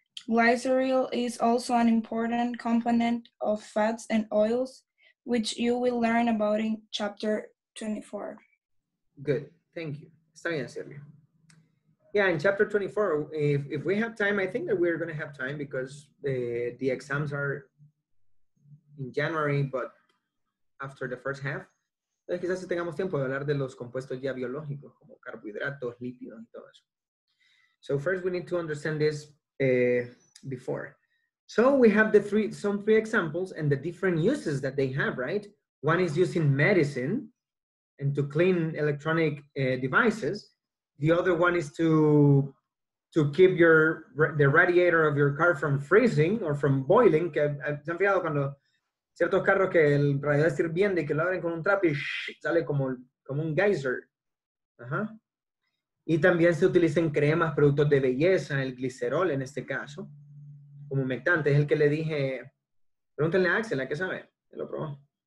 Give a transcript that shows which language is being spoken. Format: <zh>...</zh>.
<en>Glycerol is also an important component of fats and oils, which you will learn about in chapter 24. Good, thank you.</en> <es>Está bien,</es> <en>Sergio. Yeah, in chapter 24, if we have time, I think that we're going to have time because the exams are in January, but after the first half.</en> <es>Entonces, quizás si tengamos tiempo de hablar de los compuestos ya biológicos, como carbohidratos, lípidos y todo eso.</es> <en>So first we need to understand this before. So we have the three examples and the different uses that they have, right? One is using medicine and to clean electronic devices. The other one is to keep the radiator of your car from freezing or from boiling.</en> <es>¿Se han fijado cuando ciertos carros que el radiador está hirviendo y que lo abren con un trapo y sale como un geyser? Y también se utilizan cremas, productos de belleza, el glicerol en este caso, como humectante. Es el que le dije, pregúntenle a Axel, ¿a qué sabe? Él lo probó.</es>